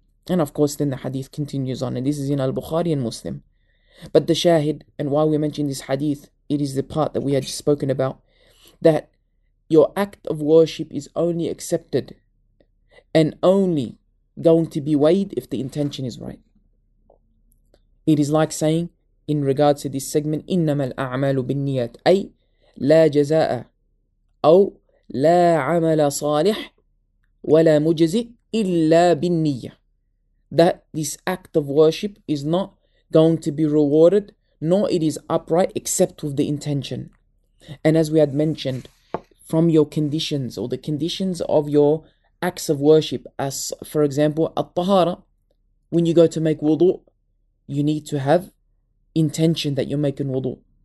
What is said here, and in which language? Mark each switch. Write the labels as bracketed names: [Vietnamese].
[English] And of course then the hadith continues on, and this is in Al-Bukhari and Muslim. But the shahid, and why we mention this hadith, it is the part that we had just spoken about, that your act of worship is only accepted and only going to be weighed if the intention is right. It is like saying, in regards to this segment, [Arabic] إِنَّمَا الْأَعْمَالُ بِالنِّيَّةِ أي لا جزاء أو لا عمل صالح ولا مجزي إلا بالنية. [English] That this act of worship is not going to be rewarded, nor it is upright except with the intention. And as we had mentioned, from your conditions or the conditions of your acts of worship, as for example, al-tahara, when you go to make wudu, you need to have intention that you're making wudu.